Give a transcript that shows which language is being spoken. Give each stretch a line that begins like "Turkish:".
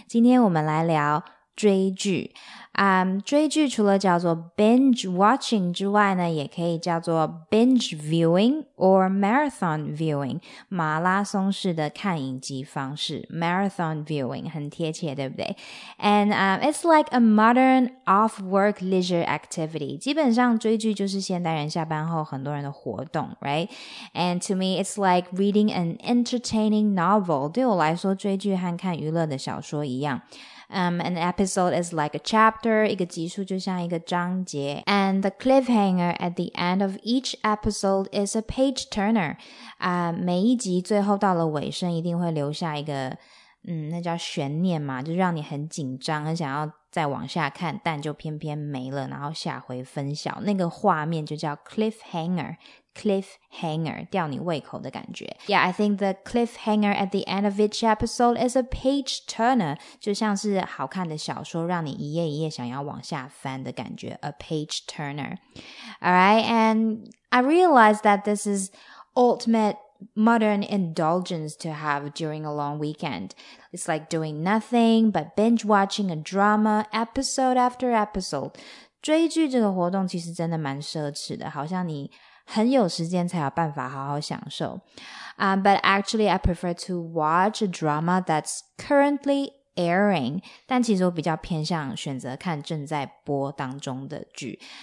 Chinese: 今天我们来聊追剧。追剧除了叫做 binge watching 之外呢，也可以叫做
English: binge viewing or marathon viewing，
Chinese: 马拉松式的看影集方式 ，marathon viewing 很贴切，对不对 ？
English: And it's like a modern off-work leisure activity.
Chinese: 基本上追剧就是现代人下班后很多人的活动 ，right?
English: And to me, it's like reading an entertaining novel.
Chinese: 对我来说，追剧和看娱乐的小说一样。
English: An episode is like a chapter,
Chinese: 一个集数就像一个章节。
English: And the cliffhanger at the end of each episode is a page turner.
Chinese: 每一集最后到了尾声一定会留下一个那叫悬念嘛，就让你很紧张，很想要再往下看，但就偏偏没了，然后下回分晓。那个画面就叫 cliffhanger。Cliffhanger, 吊你胃口的感觉。
English: Yeah, I think the cliffhanger at the end of each episode is a page turner,
Chinese: 就像是好看的小说让你一页一页想要往下翻的感觉
English: ,a page turner. Alright, and I realized that this is ultimate modern indulgence to have during a long weekend. It's like doing nothing but binge watching a drama episode after episode.
Chinese: 追剧这个活动其实真的蛮奢侈的，好像你很有时间才有办法好好享受。
English: But actually, I prefer to watch a drama that's currently airing.
Chinese: 但其实我比较偏向选择看正在播当中的剧。